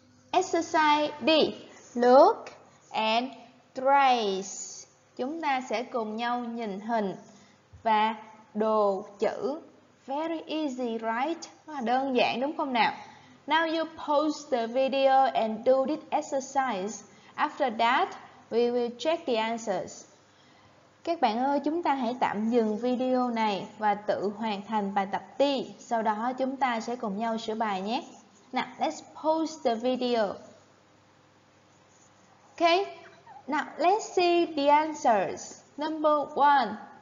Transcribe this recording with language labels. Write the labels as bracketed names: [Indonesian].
[English] Exercise D. Look and trace. [Vietnamese] Chúng ta sẽ cùng nhau nhìn hình và đồ, chữ. [English] Very easy, right? [Vietnamese] Rất là đơn giản đúng không nào? [English] Now you post the video and do this exercise. After that, we will check the answers. [Vietnamese] Các bạn ơi, chúng ta hãy tạm dừng video này và tự hoàn thành bài tập đi. Sau đó chúng ta sẽ cùng nhau sửa bài nhé. [English] Now, let's post the video. Okay, now let's see the answers. Number one.